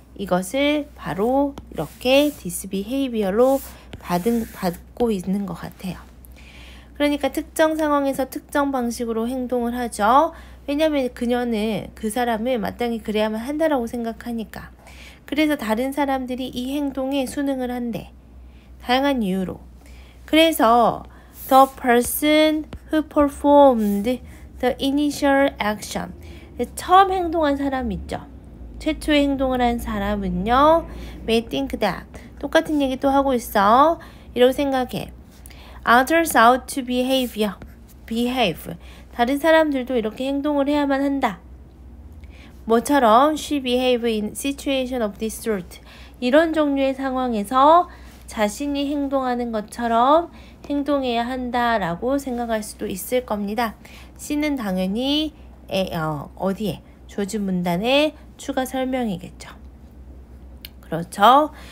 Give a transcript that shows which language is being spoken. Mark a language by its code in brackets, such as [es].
[ko] 이것을 바로 이렇게 [en] this behavior [ko] 로 받고 있는 것 같아요. 그러니까 특정 상황에서 특정 방식으로 행동을 하죠. 왜냐하면 그녀는 그 사람을 마땅히 그래야만 한다라고 생각하니까. 그래서 다른 사람들이 이 행동에 순응을 한대. 다양한 이유로. 그래서 [en] the person who performed the initial action. [ko] 처음 행동한 사람 있죠. 최초에 행동을 한 사람은요. [en] may think that. [ko] 똑같은 얘기 또 하고 있어. 이렇게 생각해. [en] Others ought to behave. [ko] 다른 사람들도 이렇게 행동을 해야만 한다. 뭐처럼 [en] she behave in situation of this sort. [ko] 이런 종류의 상황에서 자신이 행동하는 것처럼 행동해야 한다라고 생각할 수도 있을 겁니다. C는 당연히 어디에? 주어진 문단에 추가 설명이겠죠. 그렇죠?